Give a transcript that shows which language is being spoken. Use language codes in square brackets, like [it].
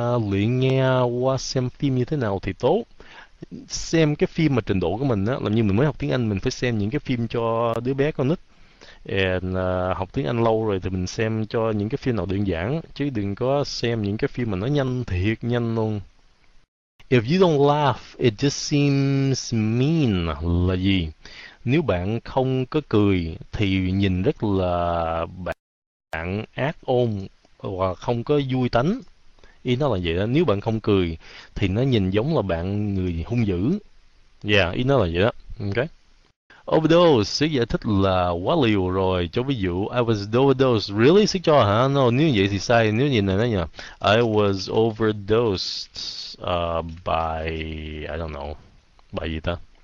[vi] Luyện nghe qua xem phim như thế nào thì tốt. Xem cái phim mà trình độ của mình á, làm như mình mới học tiếng Anh, mình phải xem những cái phim cho đứa bé con nít. Học tiếng Anh lâu rồi thì mình xem cho những cái phim nào đơn giản, chứ đừng có xem những cái phim mà nó nhanh thiệt nhanh luôn. [en] If you don't laugh, it just seems mean. [vi] Là gì? Nếu bạn không có cười thì nhìn rất là bạn ác ôn và không có vui tánh. Ý nó là vậy đó. Nếu bạn không cười thì nó nhìn giống là bạn người hung dữ. Ý nó là vậy đó. Ok. Overdose, sẽ giải thích là quá liều rồi. Cho ví dụ, [en] I was overdose. Really? [vi] Sẽ cho hả? No, nếu như vậy thì sai. Nếu như này nói nhờ. [en] I was overdosed by, I don't know, by [vi] gì ta?